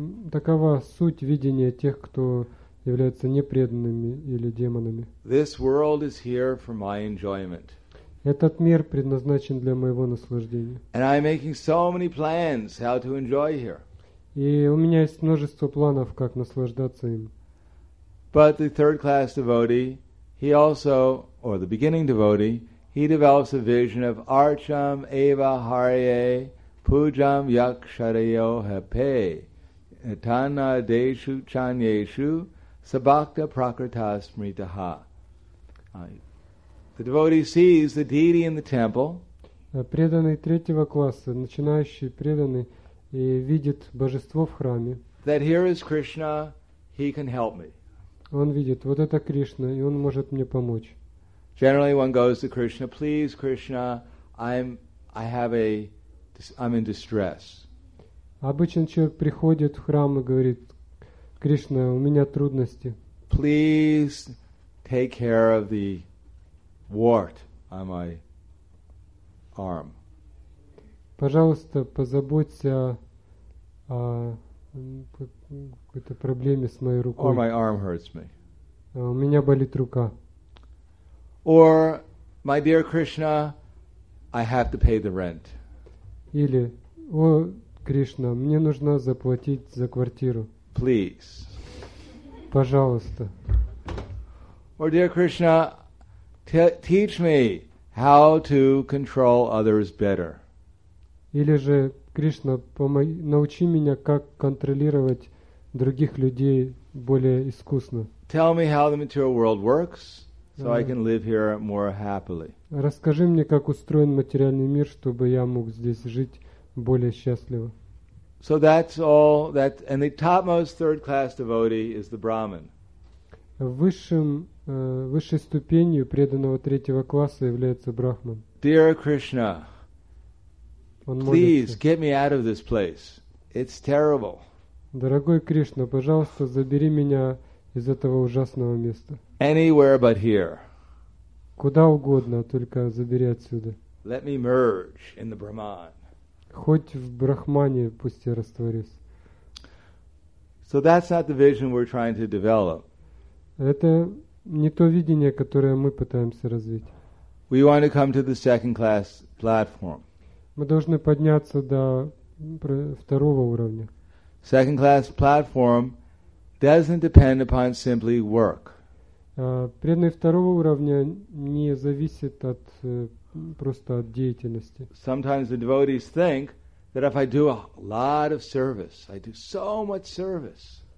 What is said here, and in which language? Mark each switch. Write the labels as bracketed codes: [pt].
[ru] Такова суть видения тех, кто являются непреданными или демонами. [en] This world is here for my enjoyment. [ru] Этот мир предназначен для моего наслаждения. [en] And I'm making so many plans how to enjoy here. [ru] И у меня есть множество планов, как наслаждаться им. [en] But the third class devotee, he also, or the beginning devotee, he develops a vision of [sa] Archam Eva Harye Pujam Yaksharayo Hape Tana Deshu Chanyeshu Sabakta Prakritas Mritaha. [en] The devotee sees the deity in the temple. [ru] Преданный третьего класса, начинающий преданный, и видит божество в храме. [en] That here is Krishna, he can help me. [ru] Он видит, вот это Кришна, и он может мне помочь. [en] Generally, one goes to Krishna, please, Krishna, I'm in distress. [ru] Обычно человек приходит в храм и говорит, Кришна, у меня трудности. [en] Please take care of the wart on my arm. [ru] Пожалуйста, позаботься о какой-то проблеме с моей рукой. [en] Or my arm hurts me. [ru] У меня болит рука. [en] Or, my dear Krishna, I have to pay the rent. [ru] Или, о, Кришна, мне нужно заплатить за квартиру. [en] Please. [ru] Пожалуйста. [en] Or, dear Krishna, teach me how to control others better. [ru] Или же, Кришна, научи меня, как контролировать других людей более искусно. [en] Tell me how the material world works. So I can live here more happily. [ru] Расскажи мне, как устроен материальный мир, чтобы я мог здесь жить более счастливо. [en] So that's all that, and the topmost third class devotee is the Brahmin. [ru] Высшей ступенью преданного третьего класса является Брахман. [en] Dear Krishna, please get me out of this place. It's terrible. [ru] Дорогой Кришна, пожалуйста, забери меня из этого ужасного места. [en] Anywhere but here. [ru] Куда угодно, только забери отсюда. [en] Let me merge in the Brahman. [ru] Хоть в Брахмане пусть я растворюсь. [en] So that's not the vision we're trying to develop. [ru] Это не то видение, которое мы пытаемся развить. [en] We want to come to the second class platform. [ru] Мы должны подняться до второго уровня. [en] Second class platform doesn't depend upon simply work. [ru] Преданный второго уровня не зависит от просто от деятельности. [en] Sometimes the devotees think that if I do a lot of service, I do so much service.